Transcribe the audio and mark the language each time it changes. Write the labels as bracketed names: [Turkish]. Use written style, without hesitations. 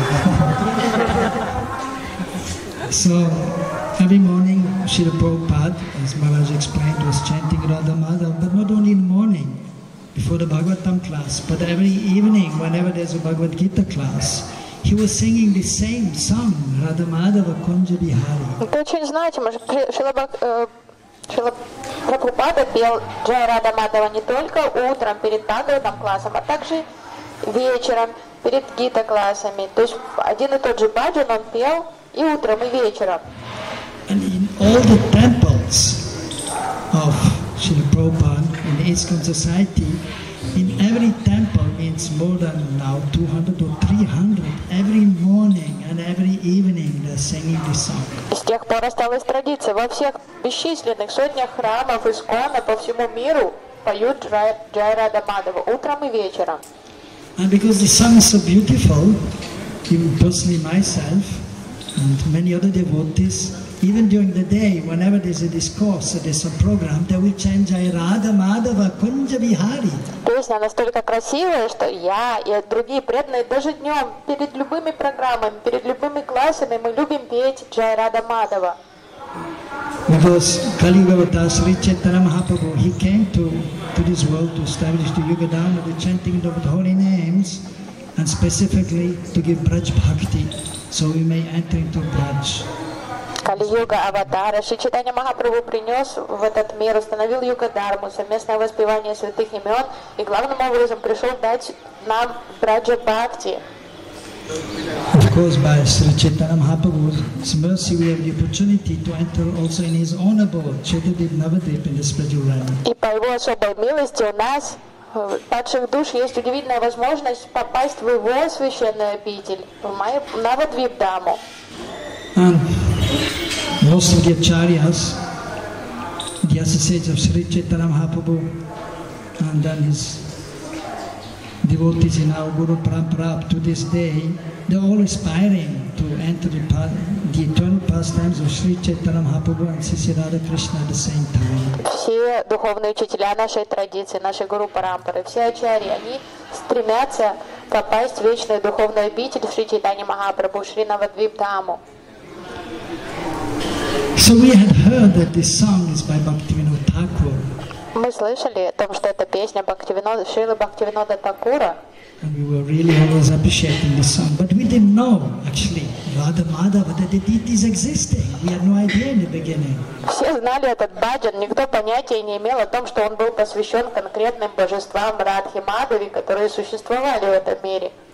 [English] So every morning Srila Prabhupada, as Maharaj explained, was chanting Radha Madhava, but not only in the morning before the Bhagavatam class, but every evening whenever there's a Bhagavad Gita class, he was singing the same song, Radha Madhava Kunja Bihari. [Russian] Шрила Прабхупада пел Джай Радха Мадхава не только утром перед Бхагаватам классом, а также вечером перед Гита классами. То есть один и тот же баджан он пел и утром, и вечером. [English] And in all the temples of Шрила Прабхупада in ISKCON society, in every temple means more than now 200 or 300 every morning and every evening they're singing this song. [Russian] С тех пор осталась традиция во всех бесчисленных сотнях храмов ISKCON по всему миру поют Джай Радха Мадхава утром и вечером. [English] And because the song is so beautiful, even personally myself and many other devotees, even during the day, whenever there's a discourse or there's a program, they will chant Jai Radha Madhava Kunja Bihari. [Russian] Песня настолько красивая, что я и другие преданные даже днем перед любыми программами, перед любыми классами мы любим петь Jai Radha Madhava. [English] Because Kali Yuga avatar Sri Chaitanya Mahaprabhu, he came to this world to establish the Yuga Dharma, the chanting of the holy names, and specifically to give Braj Bhakti, so we may enter into Braj. [Russian] Kali Yuga avatar Sri Chaitanya Mahaprabhu принес в этот мир, установил Yuga Dharma, совместное воспевание святых имен, и главным образом пришел дать нам Braj Bhakti. [English] Of course, by Sri Chaitanya Mahaprabhu's mercy, we have the opportunity to enter also in his own abode, Chaitadip Navadip, in the spiritual realm. [Russian] И по его особой милости у нас, падших душ, есть удивительная возможность попасть в его священную обитель, в Навадвипдаму. [English] And most of the acharyas, the associates of Sri Chaitanya Mahaprabhu, and then his devotees in our Guru Parampara up to this day, they're all aspiring to enter the eternal pastimes of Sri Chaitanya Mahaprabhu and Sisi Radha Krishna at the same time. [Russian] Все духовные учителя нашей традиции, нашей Гуру Парампары, все ачари, они стремятся попасть в вечную духовную обитель Шри Чайтани Махапрабху, Шри Навадвипдаму. [English] So we had heard that this song is by Bhaktivinoda Thakur. [Russian] Мы слышали о том, что это песня Бхактивинода, Шрилы Бхактивинода Такура. [English] And we were really always appreciating this song, but we didn't know actually Radha Madhava that the deities existed. We had no idea in the beginning. [Russian] Все знали этот баджан, никто понятия не имел о том, что он был посвящен конкретным божествам Радхи Мадхави, которые существовали в этом мире.